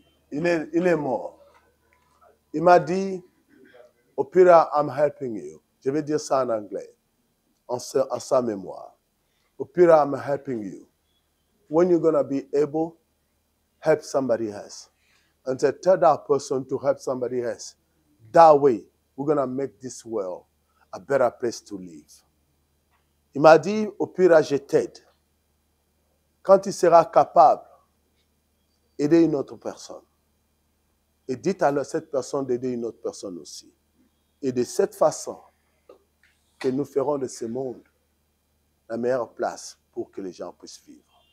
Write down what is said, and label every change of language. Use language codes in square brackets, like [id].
[fr] Il est mort. Il m'a dit, au pire, [en] I'm helping you. [fr] Je vais dire ça en anglais, en sa mémoire. Au pire, [en] I'm helping you. When you're gonna be able, help somebody else. And to tell that person to help somebody else, that way, we're gonna make this world a better place to live. [fr] Il m'a dit, au pire, je t'aide. Quand tu seras capable, aider une autre personne. Et dites à cette personne d'aider une autre personne aussi. Et de cette façon, que nous ferons de ce monde la meilleure place pour que les gens puissent vivre.